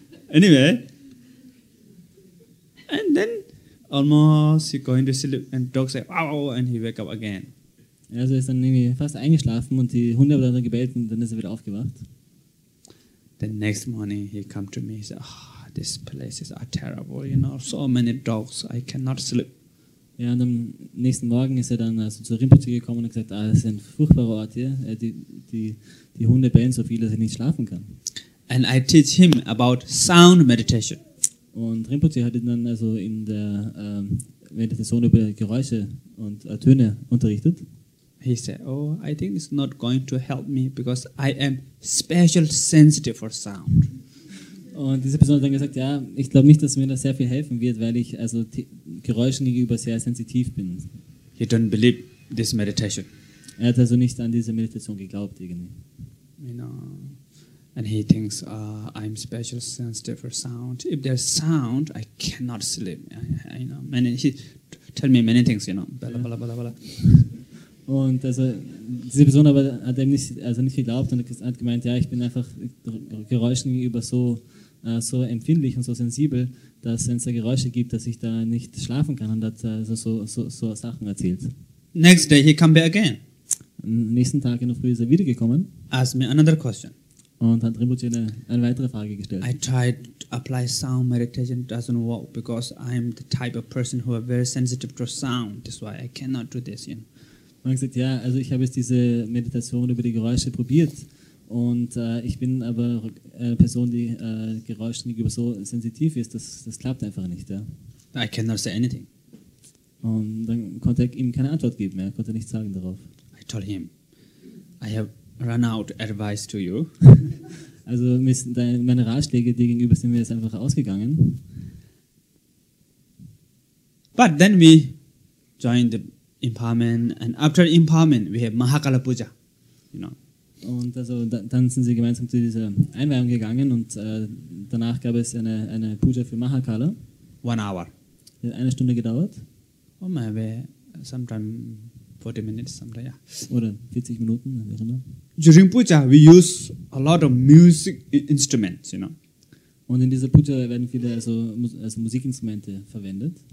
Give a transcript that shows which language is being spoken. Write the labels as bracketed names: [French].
[English] Anyway, and then almost he going to sleep and dog say, wow, wow, and he wake up again. [German] Also er ist dann irgendwie fast eingeschlafen und die Hunde haben dann gebellt und dann ist er wieder aufgewacht. [English] The next morning he come to me and say, oh, these places are terrible, you know, so many dogs, I cannot sleep. [German] Ja, und am nächsten Morgen ist er dann also zu Rinpoche gekommen und gesagt, ah, das ist ein furchtbarer Ort hier. Die Hunde bellen so viel, dass er nicht schlafen kann. [English] And I teach him about sound meditation. [German] Und Rinpoche hat ihn dann also in der Meditation über Geräusche und Töne unterrichtet. [English] He said, oh, I think it's not going to help me because I am special sensitive for sound. [German] Und diese Person hat dann gesagt, ja, ich glaube nicht, dass mir das sehr viel helfen wird, weil ich also Geräuschen gegenüber sehr sensitiv bin. [English] He don't believe this meditation. [German] Er hat also nicht an diese Meditation geglaubt irgendwie. [English] You know, and he thinks, I'm special sensitive for sound. If there's sound, I cannot sleep. You know, he tell me many things, you know, blah, blah, blah, blah. [German] Und also diese Person aber hat eben nicht geglaubt und hat gemeint, ja, ich bin einfach Geräuschen gegenüber so empfindlich und so sensibel, dass wenn es da Geräusche gibt, dass ich da nicht schlafen kann, und hat also so Sachen erzählt. [English] Next day he come back again. [German] nächsten Tag in der Früh ist er wiedergekommen. [English] Asked me another question. [German] Und hat Rinpoche eine weitere Frage gestellt. [English] I tried to apply sound meditation, doesn't work because I'm the type of person who are very sensitive to sound. That's why I cannot do this. You know? [German] Und er sagt, ja, also ich habe jetzt diese Meditation über die Geräusche probiert. Und ich bin aber eine Person, die Geräusche gegenüber so sensitiv ist, das klappt einfach nicht. Ja. [English] I cannot say anything. [German] Und dann konnte er ihm keine Antwort geben, er konnte nichts sagen darauf. [English] I told him, I have run out advice to you. [German] Also meine Ratschläge dir gegenüber sind mir jetzt einfach ausgegangen. [English] But then we joined the empowerment, and after empowerment we have Mahakala Puja, you know. [German] Und also dann sind sie gemeinsam zu dieser Einweihung gegangen und danach gab es eine Puja für Mahakala. [English] 1 hour. [German] Hat eine Stunde gedauert. [English] Oh, maybe sometime 40 minutes, sometime, yeah. [German] Oder 40 Minuten, wie auch immer. [English] During Puja, we use a lot of music instruments, you know. [German] Und in dieser Puja werden viele also Musikinstrumente verwendet.